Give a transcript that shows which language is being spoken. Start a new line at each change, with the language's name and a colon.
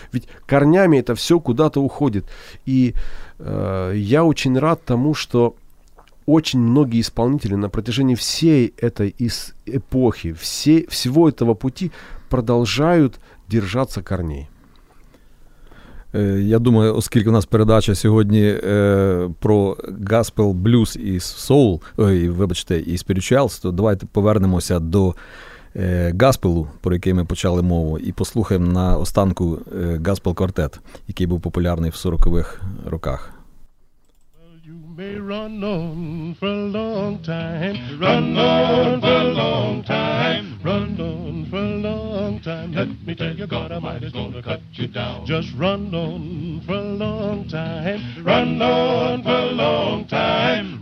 Russian: Ведь корнями это все куда-то уходит. И я очень рад тому, что очень многие исполнители на протяжении всей этой эпохи, всего этого пути продолжают держаться корней.
Ukrainian: Я думаю, оскільки у нас передача сьогодні про gospel, blues і soul, вибачте, і spirituals, то давайте повернемося до gospel, про який ми почали мову, і послухаємо на останку gospel-квартет, який був популярний в 40-х роках.
English: may run on for a long time. Run on for a long time. Run on for a long time. Let me tell you, God Almighty's gonna cut you down. Just run on for a long time. Run on for a long time.